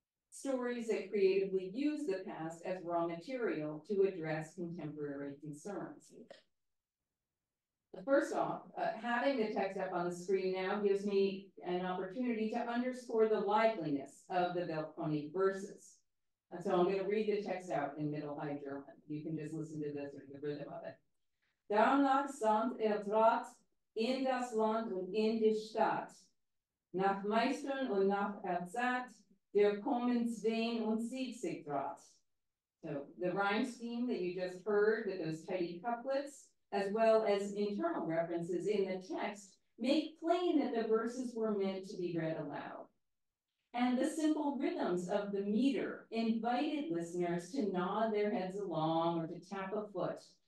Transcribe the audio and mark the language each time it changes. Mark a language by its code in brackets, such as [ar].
[en] Stories that creatively use the past as raw material to address contemporary concerns. First off, having the text up on the screen now gives me an opportunity to underscore the liveliness of the Weltkundig verses. And so I'm going to read the text out in Middle High German. You can just listen to this or the rhythm of it. [gmh] Danach sandt trat in das Land und in die Stadt, nach Meistern und nach Erzat, der kommen Zwein und Siebzig trat. [en] So the rhyme scheme that you just heard with those tidy couplets, as well as internal references in the text, make plain that the verses were meant to be read aloud. And the simple rhythms of the meter invited listeners to nod their heads along or to tap a foot.